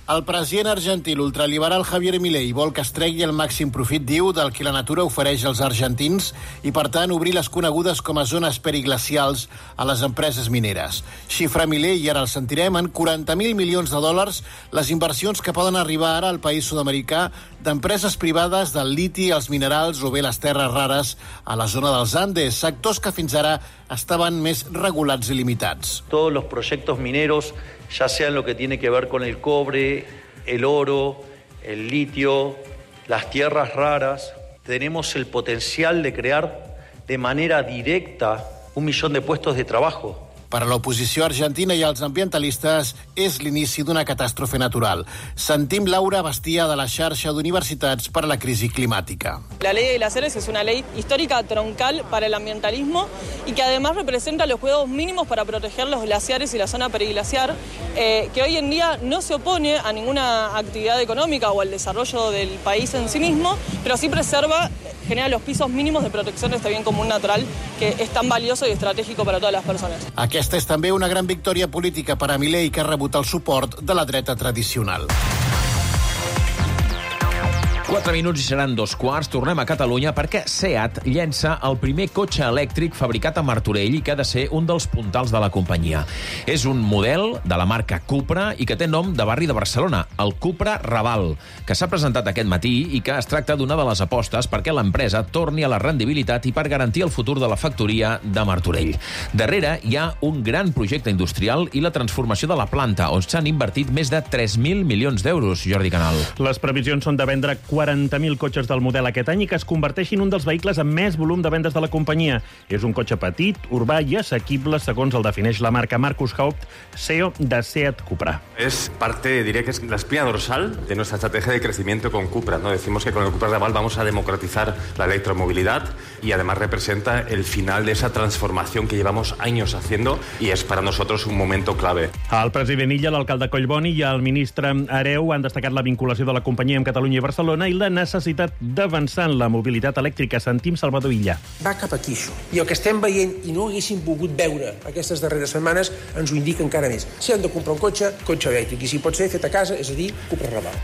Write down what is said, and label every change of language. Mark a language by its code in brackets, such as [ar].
[ca] El president argentí, l'ultraliberal Javier Milei, vol que es tregui el màxim profit, diu, del que la natura ofereix als argentins i, per tant, obrir les conegudes com a zones periglacials a les empreses mineres. Xifra Milei, i ara el sentirem, en 40.000 milions de dòlars les inversions que poden arribar ara al país sud-americà d'empreses privades del liti, els minerals o bé les terres rares a la zona dels Andes, sectors que fins ara estaven més regulats i limitats. [es] Todos los proyectos mineros, ya sea en lo que tiene que ver con el cobre, el oro, el litio, las tierras raras, tenemos el potencial de crear de manera directa 1 millón de puestos de trabajo. [ca] Per a l'oposició argentina i els ambientalistes és l'inici d'una catàstrofe natural. Sentim Laura Bastia de la xarxa d'universitats per a la crisi climàtica. [es] La ley de glaciares es una ley histórica troncal para el ambientalismo y que además representa los cuidados mínimos para proteger los glaciares y la zona periglaciar, que hoy en día no se opone a ninguna actividad económica o al desarrollo del país en sí mismo, pero sí preserva, genera los pisos mínimos de protección de este bien común natural que es tan valioso y estratégico para todas las personas. [ca] Aquesta és també una gran victòria política per a Milei, que ha rebut el suport de la dreta tradicional. 4 minuts i seran 2 quarts. Tornem a Catalunya perquè Seat llença el primer cotxe elèctric fabricat a Martorell i que ha de ser un dels puntals de la companyia. És un model de la marca Cupra i que té nom de barri de Barcelona, el Cupra Raval, que s'ha presentat aquest matí i que es tracta d'una de les apostes perquè l'empresa torni a la rendibilitat i per garantir el futur de la factoria de Martorell. Darrere hi ha un gran projecte industrial i la transformació de la planta, on s'han invertit més de 3.000 milions d'euros, Jordi Canal. Les previsions són de vendre 40.000 cotxes del model aquest any i que es converteixi en un dels vehicles amb més volum de vendes de la companyia. És un cotxe petit, urbà i assequible, segons el defineix la marca Marcus Haupt, CEO de Seat Cupra. [es] És parte, diria que és la espina dorsal de nuestra estrategia de crecimiento con Cupra, ¿no? Decimos que con el Cupra Raval vamos a democratizar la electromovilidad y además representa el final de esa transformación que llevamos años haciendo y es para nosotros un momento clave. [ca] El president Illa, l'alcalde Collboni i el ministre Areu han destacat la vinculació de la companyia amb Catalunya i Barcelona i la necessitat d'avançar en la mobilitat elèctrica. Sentim Salvador Illa. Va cap aquí, això. I el que estem veient i no haguéssim volgut veure aquestes darreres setmanes ens ho indica encara més. Si hem de comprar un cotxe, cotxe elèctric. I si pot ser fet a casa, és a dir, Cupra Raval.